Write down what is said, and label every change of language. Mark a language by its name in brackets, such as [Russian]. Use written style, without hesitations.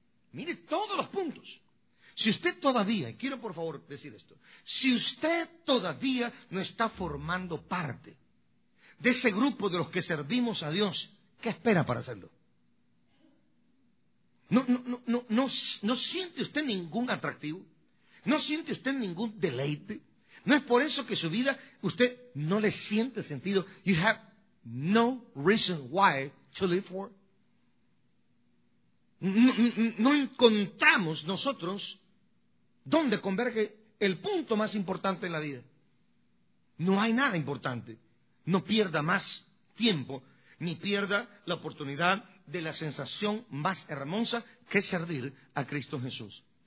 [Spanish] Mire todos los puntos. Si usted todavía, y quiero por favor decir esto, si usted todavía no está formando parte de ese grupo de los que servimos a Dios, ¿qué espera para hacerlo? ¿No siente usted ningún atractivo? ¿No siente usted ningún deleite? ¿No es por eso que su vida, usted no le siente sentido? [English] You have no reason why to live for. [Spanish] No encontramos nosotros dónde converge el punto más importante en la vida. No hay nada importante. No pierda más tiempo, ni pierda la oportunidad de la sensación más hermosa que es servir a Cristo Jesús.